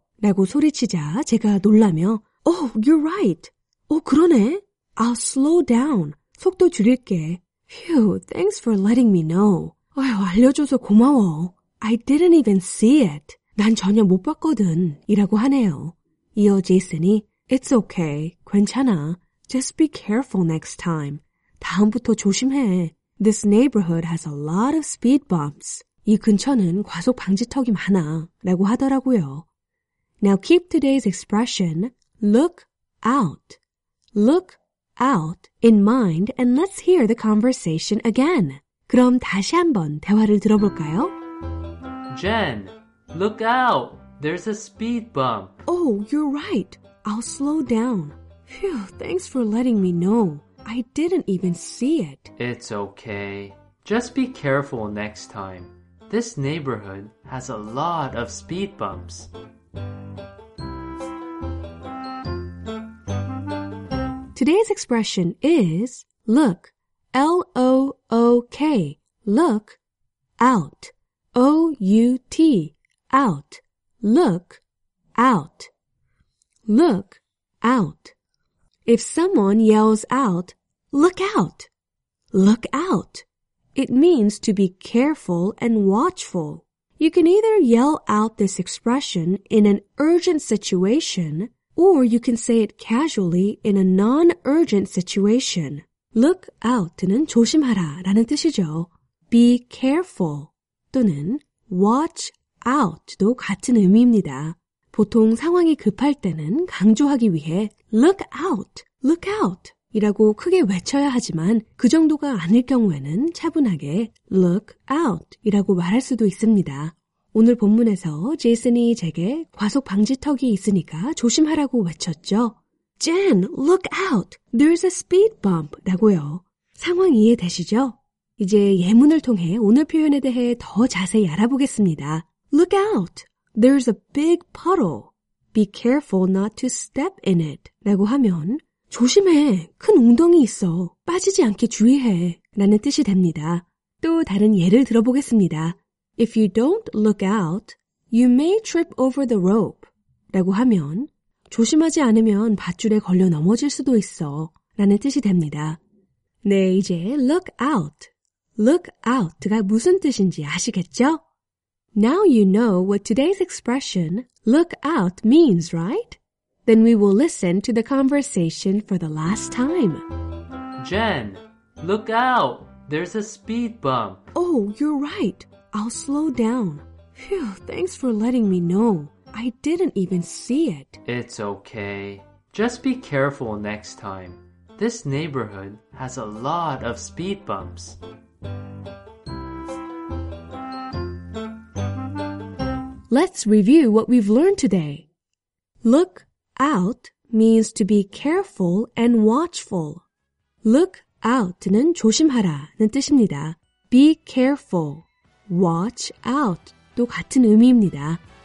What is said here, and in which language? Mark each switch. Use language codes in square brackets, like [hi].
[ko] 라고 소리치자 제가 놀라며, [en] Oh, you're right. [ko] 오, 그러네. [en] I'll slow down. [ko] 속도 줄일게. [en] Phew, thanks for letting me know. [ko] 아유, 알려줘서 고마워. [en] I didn't even see it. [ko] 난 전혀 못 봤거든. 이라고 하네요. 이어 제이슨이, [en] It's okay. [ko] 괜찮아. [en] Just be careful next time. [ko] 다음부터 조심해. [en] This neighborhood has a lot of speed bumps. [ko] 이 근처는 과속 방지턱이 많아 라고 하더라고요. [en] Now keep today's expression, look out. Look out in mind and let's hear the conversation again. [ko] 그럼 다시 한번 대화를 들어볼까요? [en] Jen, look out. There's a speed bump. Oh, you're right. I'll slow down. Phew, thanks for letting me know. I didn't even see it. It's okay. Just be careful next time. This neighborhood has a lot of speed bumps. 'Today's expression is look, L-O-O-K, look out, O-U-T, out, look out, look out. If someone yells out, look out, look out. It means to be careful and watchful. You can either yell out this expression in an urgent situation, or you can say it casually in a non-urgent situation. [ko] Look out는 조심하라 라는 뜻이죠. Be careful 또는 watch out도 같은 의미입니다. 보통 상황이 급할 때는 강조하기 위해 look out, look out. 이라고 크게 외쳐야 하지만 그 정도가 아닐 경우에는 차분하게 look out 이라고 말할 수도 있습니다. 오늘 본문에서 제이슨이 제게 과속 방지턱이 있으니까 조심하라고 외쳤죠. [en] Jen, look out! There's a speed bump! [ko] 라고요. 상황 이해되시죠? 이제 예문을 통해 오늘 표현에 대해 더 자세히 알아보겠습니다. [en] Look out! There's a big puddle. Be careful not to step in it. [ko] 라고 하면 조심해, 큰 웅덩이 있어, 빠지지 않게 주의해, 라는 뜻이 됩니다. 또 다른 예를 들어보겠습니다. [en] If you don't look out, you may trip over the rope. [ko] 라고 하면, 조심하지 않으면 밧줄에 걸려 넘어질 수도 있어, 라는 뜻이 됩니다. 네, 이제 look out. Look out가 무슨 뜻인지 아시겠죠? [en] Now you know what today's expression look out means, right? Then we will listen to the conversation for the last time. Jen, look out! There's a speed bump. Oh, you're right. I'll slow down. Phew, thanks for letting me know. I didn't even see it. It's okay. Just be careful next time. This neighborhood has a lot of speed bumps. 'Let's review what we've learned today. Look out means to be careful and watchful. [ko] Look out는 조심하라는 뜻입니다. [en] Be careful. [ko] Watch out도 같은 의미입니다.